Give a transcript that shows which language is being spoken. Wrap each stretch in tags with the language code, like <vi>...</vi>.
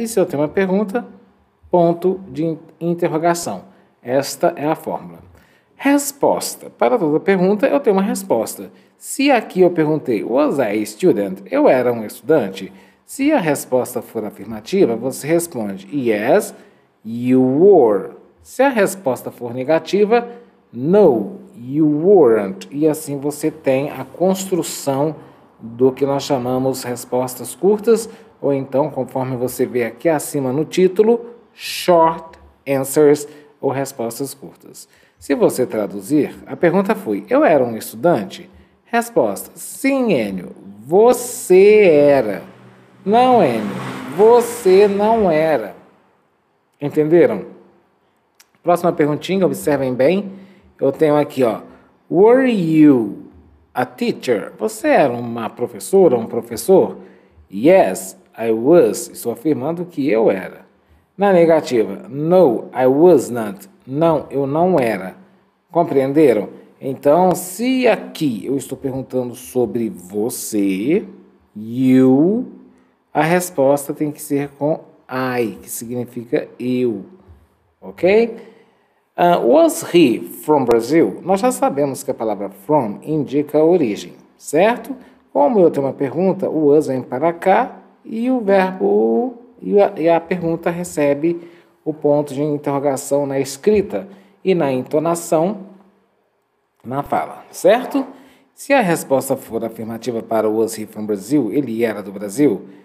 <pt>E se eu tenho uma pergunta, ponto de interrogação. Esta é a fórmula. Resposta. Para toda pergunta, eu tenho uma resposta. Se aqui eu perguntei,</pt> <en>was I a student?</en> <pt>Eu era um estudante? Se a resposta for afirmativa, você responde,</pt> <en>yes, you were.</en> <pt>Se a resposta for negativa,</pt> <en>no, you weren't.</en> <pt>E assim você tem a construção do que nós chamamos respostas curtas, ou então, conforme você vê aqui acima no título, short answers, ou respostas curtas. Se você traduzir, a pergunta foi, eu era um estudante? Resposta, sim, Enio, você era. Não, Enio, você não era. Entenderam? Próxima perguntinha, observem bem. Eu tenho aqui, ó,</pt> <en>were you a teacher?</en> <pt>Você era uma professora, um professor?</pt> <en>Yes, I was.</en> <pt>Estou afirmando que eu era. Na negativa,</pt> <en>no, I was not.</en> <pt>Não, eu não era. Compreenderam? Então, se aqui eu estou perguntando sobre você, you, a resposta tem que ser com I, que significa eu. Ok?</pt> <en>Was he from Brazil?</en> <pt>Nós já sabemos que a palavra from indica a origem, certo? Como eu tenho uma pergunta, o was vem para cá e o verbo e a pergunta recebe o ponto de interrogação na escrita e na entonação na fala, certo? Se a resposta for afirmativa para</pt> <en>was he from Brazil,</en> <pt>ele era do Brasil?</pt>